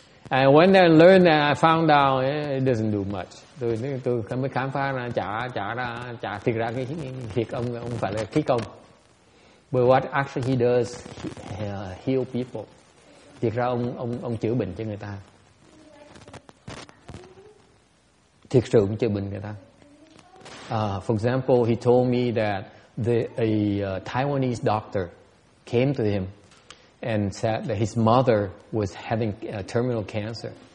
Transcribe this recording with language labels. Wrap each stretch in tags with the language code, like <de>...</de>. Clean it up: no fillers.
<en>And when I learned that, I found out it doesn't do much.</en> <vi>Tôi mới khám phá ra chả thiệt ra cái thiệt ông phải là khí công.</vi> <en>But what actually he does, he heal people.</en> <vi>Thiệt ra ông chữa bệnh cho người ta. Thiệt sự ông chữa bệnh người ta.</vi> <en>For example, he told me that a Taiwanese doctor came to him and said that his mother was having terminal cancer.</en>